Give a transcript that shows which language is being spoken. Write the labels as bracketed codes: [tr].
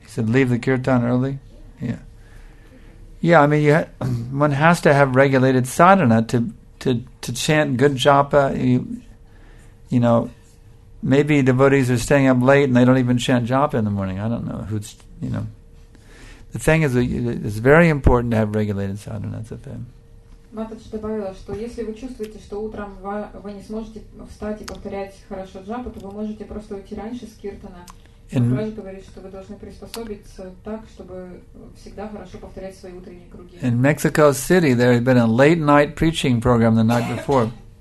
[en] He said, leave the kirtan early? Yeah. Yeah, I mean, one has to have regulated sadhana to chant good japa. You know, maybe devotees are staying up late and they don't even chant japa in the morning. I don't know who's, you know. The thing is, it's very important to have regulated sadhana. That's a thing. [ru] Матадж добавила, что если вы чувствуете, что утром вы не сможете встать и повторять хорошо джапу, то вы можете просто уйти раньше с киртана. Матадж говорит, что вы должны приспособиться так, чтобы всегда хорошо повторять свои утренние круги. [en] In Mexico City, there had been a late night preaching program the night before.